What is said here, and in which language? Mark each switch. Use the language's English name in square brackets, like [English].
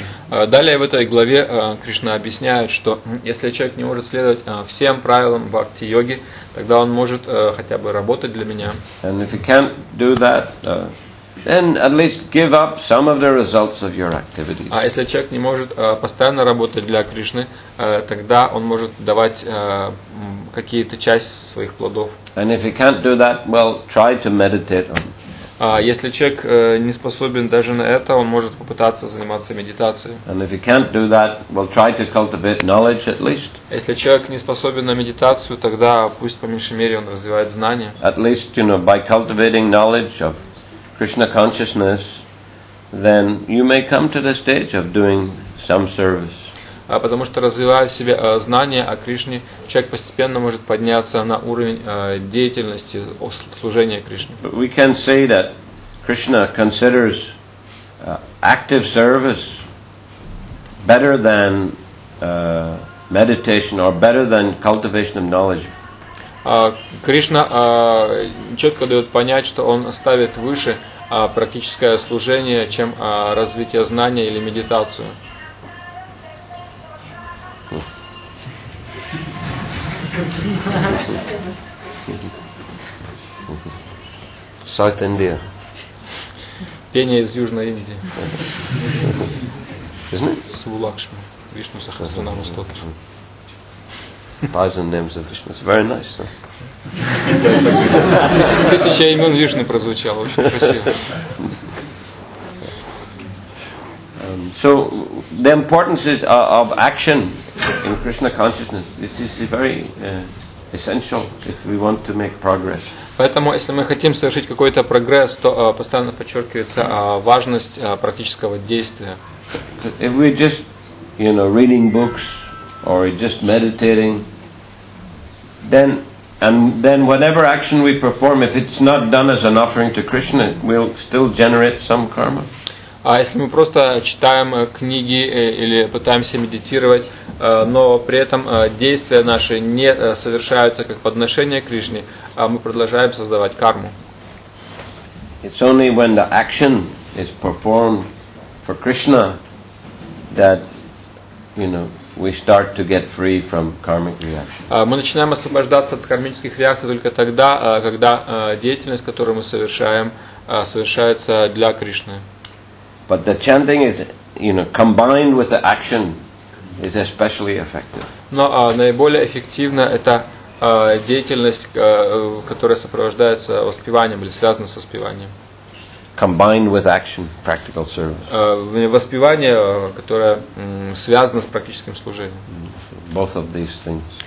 [Russian] Далее в этой главе Кришна объясняет, что если человек не может следовать всем правилам бхакти-йоги, тогда он может хотя бы работать для меня. [English] And if you can't do that, then at least give up some of the results of your activities. [Russian] А если человек не может постоянно работать для Кришны, тогда он может давать какие-то части своих плодов. [English] And if you can't do that, well, try to meditate on. [Russian] А если человек не способен даже на это, он может попытаться заниматься медитацией. Если человек не способен на медитацию, тогда пусть по меньшей мере он развивает знания. [English] At least, you know, by cultivating knowledge of Krishna consciousness, then you may come to the stage of doing some service. [Russian] Потому что развивая в себе знания о Кришне, человек постепенно может подняться на уровень деятельности служения Кришне. [English] We can say that Krishna considers active service better than meditation or better than cultivation of knowledge. [Russian] Кришна четко дает понять, что он ставит выше практическое служение, чем развитие знания или медитацию. [English] South India. [Russian] Пение из Южной Индии. [English] Isn't it? [Russian] Сувлакшми. Вишну Сахасранаму Стотра. [English] Thousand names of Vishnu. It's very nice, sir. [Russian] Тысяча имен Вишны прозвучало. Очень красиво. [English] So the importance is of action in Krishna consciousness. This is very essential if we want to make progress. [Russian] Поэтому, если мы хотим совершить какой-то прогресс, то постоянно подчеркивается важность практического действия. [English] If we're just, you know, reading books or just meditating, then whatever action we perform, if it's not done as an offering to Krishna, we'll still generate some karma. [Russian] А если мы просто читаем книги или пытаемся медитировать, но при этом действия наши не совершаются как подношение Кришне, а мы продолжаем создавать карму. [English] It's only when the action is performed for Krishna that, you know, we start to get free from karmic reactions. [Russian] Мы начинаем освобождаться от кармических реакций только тогда, когда деятельность, которую мы совершаем, совершается для Кришны. [English] But the chanting is, you know, combined with the action is especially effective. [Russian] Но наиболее эффективна это деятельность, которая сопровождается воспеванием или связана с воспеванием. [English] Combined with action, practical service. [Russian] Воспевание, которое связано с практическим служением. [English] Both of these things.